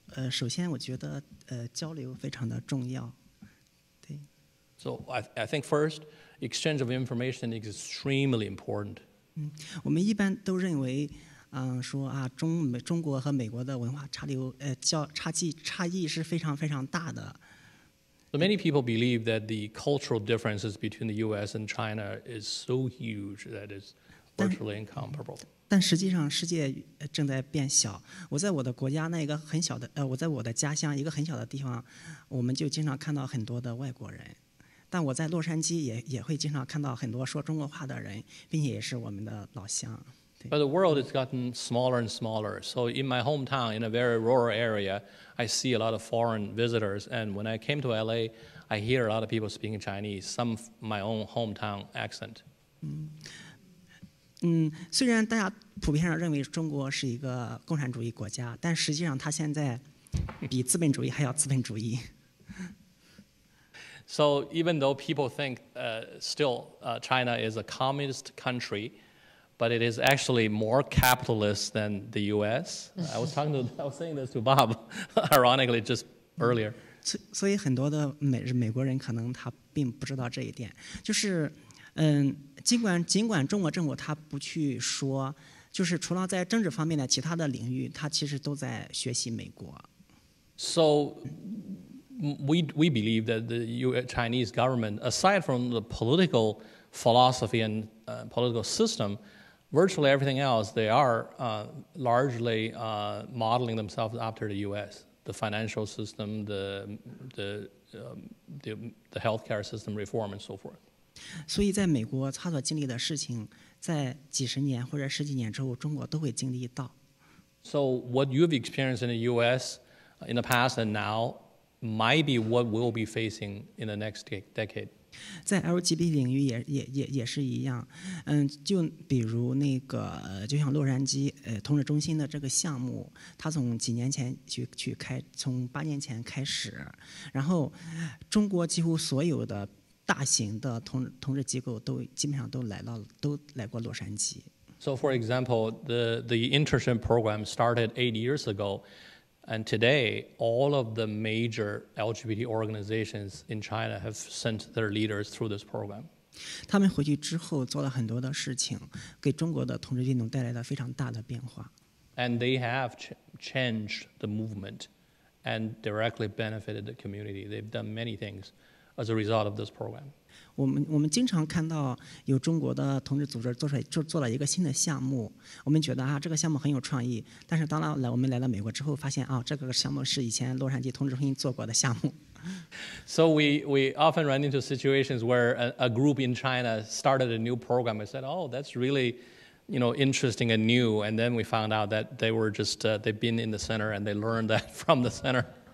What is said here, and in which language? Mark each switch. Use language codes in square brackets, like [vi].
[zh] 首先我觉得交流非常的重要，对。 [en] So I think first, exchange of information is extremely important. [zh] 我们一般都认为，说啊，中国和美国的文化差异是非常非常大的。 [en] So many people believe that the cultural differences between the U.S. and China is so huge that it's virtually incomparable. [zh] 但实际上世界正在变小，我在我的国家那一个很小的我在我的家乡一个很小的地方，我们就经常看到很多的外国人，但我在洛杉矶也会经常看到很多说中国话的人，并且也是我们的老乡。 [en] But the world has gotten smaller and smaller. So in my hometown, in a very rural area, I see a lot of foreign visitors. And when I came to LA, I hear a lot of people speaking Chinese, some my own hometown accent. [zh] 虽然大家普遍上认为中国是一个共产主义国家，但实际上它现在比资本主义还要资本主义。 [en] So even though people think China is a communist country, but it is actually more capitalist than the U.S. I was saying this to Bob, ironically, just earlier. [zh] 所以很多的美国人可能他并不知道这一点，就是。尽管中国政府他不去说，就是除了在政治方面的其他的领域，他其实都在学习美国。 [en] So we believe that the Chinese government, aside from the political philosophy and political system, virtually everything else, they are largely modeling themselves after the U.S. the financial system, the healthcare system reform, and so forth. [zh] 所以在美国他所经历的事情在几十年或者十几年之后中国都会经历到。 [en] So what you've experienced in the U.S. in the past and now might be what we'll be facing in the next decade. [zh] 在 LGBT 领域 也是一样，就比如那个就像洛杉矶同志中心的这个项目，他从几年前从八年前开始，然后中国几乎所有的大型的同志机构都基本上都来过洛杉矶。 [en] So for example, the internship program started 8 years ago, And today, all of the major LGBT organizations in China have sent their leaders through this program. [zh] 他们回去之后做了很多的事情, 给中国的同志运动带来了非常大的变化。 [en] And they have changed the movement and directly benefited the community. They've done many things as a result of this program. [zh] 我们经常看到有中国的同志组织做了一个新的项目, 我们觉得这个项目很有创意, 但是当我们来到美国之后发现, 这个项目是以前洛杉矶同志婚姻做过的项目。 [en] So we often run into situations where a group in China started a new program and said, oh, that's really, you know, interesting and new. And then we found out that they were just, they've been in the center and they learned that from the center.